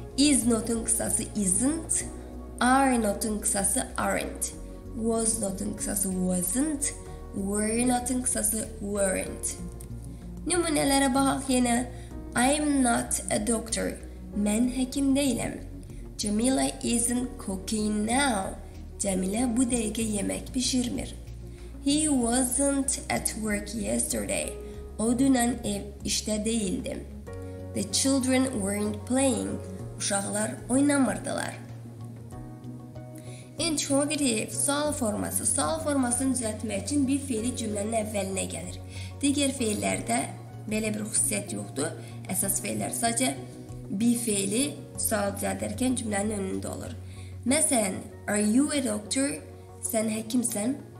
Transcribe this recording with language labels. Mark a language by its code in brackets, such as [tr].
[az] Is not-un qısası isn't, are not-un qısası aren't, was not-un qısası wasn't, were not-un qısası weren't. Nümunələrə baxaq yenə. [en] I'm not a doctor. [az] Mən həkim deyiləm. Jamila [en] isn't cooking now. [az] Cəmilə bu dəqiqə yemək pişirmir. [en] He wasn't at work yesterday. [az] O dünən ev işdə deyildi. [en] The children weren't playing. [az] Uşaqlar oynamırdılar. Interrogative, sual forması. Sual formasını düzəltmək üçün bir feili cümlənin əvvəlinə gəlir. Digər feillərdə belə bir xüsusiyyət yoxdur. Əsas feillər sadəcə bir feili sual düzəldərkən cümlənin önündə olur. Məsələn, [en] are you a doctor? [az] Sən həkimsən?